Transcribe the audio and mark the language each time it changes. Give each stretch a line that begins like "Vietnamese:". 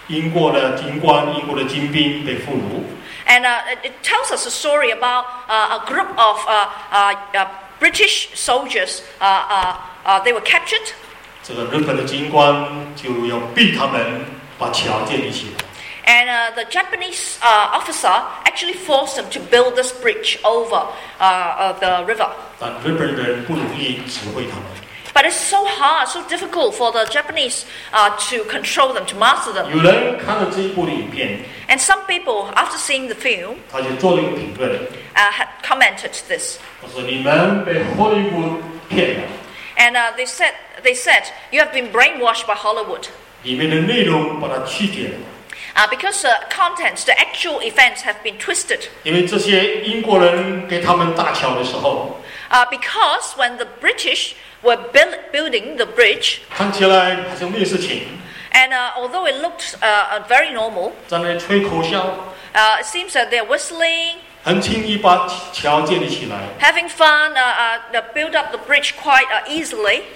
Chinese: 讲到一批英国的军官、英国的军兵被俘虏。
English: And it tells us a story about a group of British soldiers. They were captured.
Chinese: 这个日本的军官就要逼他们把桥建立起来。
English: And the Japanese officer actually forced them to build this bridge over the river.
Chinese: 但日本人不容易指挥他们。
English: But it's so hard, so difficult for the Japanese to control them, to master them.
Chinese: 有人看了这一部的影片,
English: and some people, after seeing the film,
Chinese: 他就做了一个评论,
English: had commented this.
Chinese: 他说你们被Hollywood骗了。
English: And they said, you have been brainwashed by Hollywood.
Chinese: 里面的内容把它曲解了。
English: Because the contents, the actual events have been twisted.
Chinese: 因为这些英国人给他们搭桥的时候,
English: Because when the British were building the bridge,
Chinese: 看起来好像没有事情,
English: and although it looked very normal,
Chinese: 在那吹口哨,
English: it seems that they're whistling,
Chinese: 很轻易把桥建立起来,
English: having fun, build up the bridge quite easily,